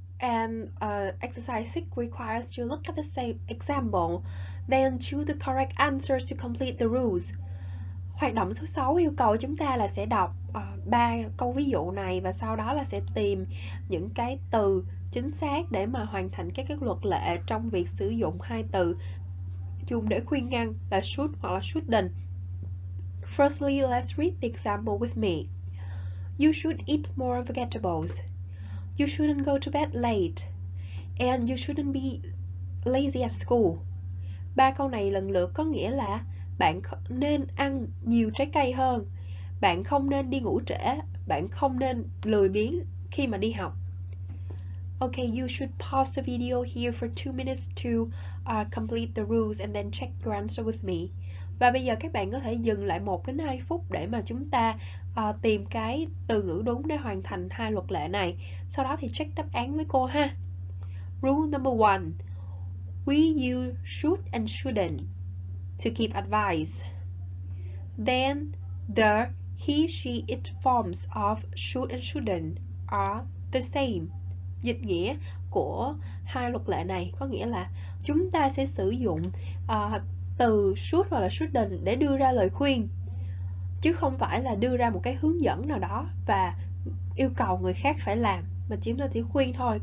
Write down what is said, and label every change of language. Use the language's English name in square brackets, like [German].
[English] And exercise 6 requires you look at the same example, then choose the correct answers to complete the rules. [Vietnamese] Hoạt động số 6 yêu cầu chúng ta là sẽ đọc ba câu ví dụ này và sau đó là sẽ tìm những cái từ chính xác để mà hoàn thành các luật lệ trong việc sử dụng hai từ dùng để khuyên ngăn là should hoặc là shouldn't. [English] Firstly, let's read the example with me. You should eat more vegetables. You shouldn't go to bed late. And you shouldn't be lazy at school. [Vietnamese] Ba câu này lần lượt có nghĩa là bạn nên ăn nhiều trái cây hơn, bạn không nên đi ngủ trễ, bạn không nên lười biếng khi mà đi học. [English] Okay, you should pause the video here for 2 minutes to complete the rules and then check your answer with me. [Vietnamese] Và bây giờ các bạn có thể dừng lại 1 đến 2 phút để mà chúng ta tìm cái từ ngữ đúng để hoàn thành hai luật lệ này. Sau đó thì check đáp án với cô ha. [English] Rule number 1. We use should and shouldn't to give advice. Then the he, she, it forms of should and shouldn't are the same. [Vietnamese] Dịch nghĩa của hai luật lệ này có nghĩa là chúng ta sẽ sử dụng từ should hoặc là shouldn't để đưa ra lời khuyên, chứ không phải là đưa ra một cái hướng dẫn nào đó và yêu cầu người khác phải làm, mà chúng ta chỉ khuyên thôi.